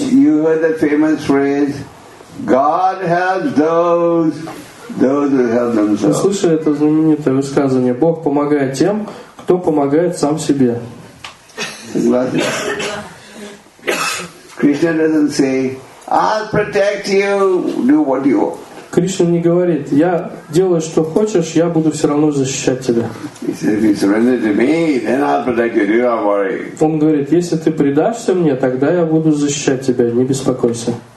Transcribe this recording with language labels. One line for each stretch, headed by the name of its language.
English: You heard the famous phrase, God helps those who help themselves.
Russian: Вы слышали это знаменитое высказывание? Бог помогает тем, кто помогает сам себе.
English: Krishna doesn't say, I'll protect you, do what you want.
Russian: Кришна не говорит, я делаю, что хочешь, я буду все равно защищать тебя. Он говорит, если ты предашься мне, тогда я буду защищать тебя, не беспокойся.